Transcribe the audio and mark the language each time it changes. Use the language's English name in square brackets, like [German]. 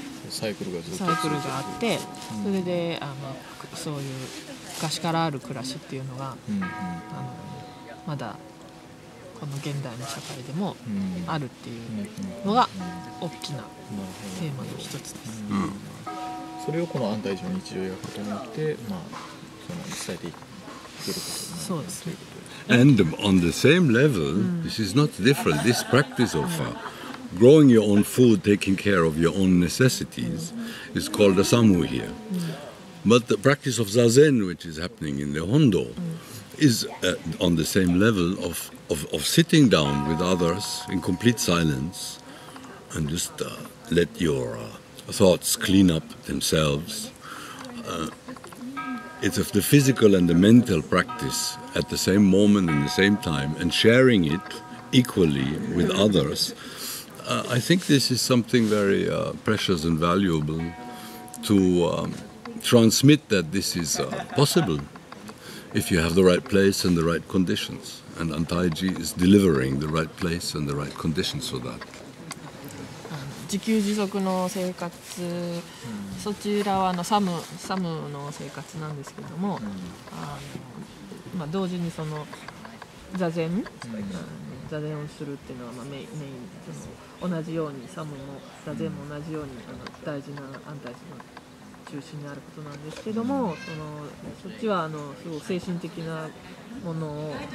[Japanese] サイクルがあって、それでそういう昔からある暮らしっていうのが、まだこの現代の社会でもあるっていうのが大きなテーマの一つです、それをこの安泰寺の日常を描くことによって、まあ、その伝えていくそうですね。 [English] And on the same level、this is not different, this practice of growing your own food, taking care of your own necessities, is called a samu here. But the practice of zazen, which is happening in the hondo, is on the same level of sitting down with others in complete silence and just let your thoughts clean up themselves. It's of the physical and the mental practice at the same moment and the same time, and sharing it equally with others. I think this is something very precious and valuable to transmit, that this is possible if you have the right place and the right conditions. And Antaiji is delivering the right place and the right conditions for that. [Japanese] 自給自足の生活、そちらはサムの生活なんですけども、まあ、同時にその座禅、座禅をするっていうのはまあメイン、その同じようにサムも座禅も同じように大事な安泰寺の中心にあることなんですけども、そっちはすごい精神的なものを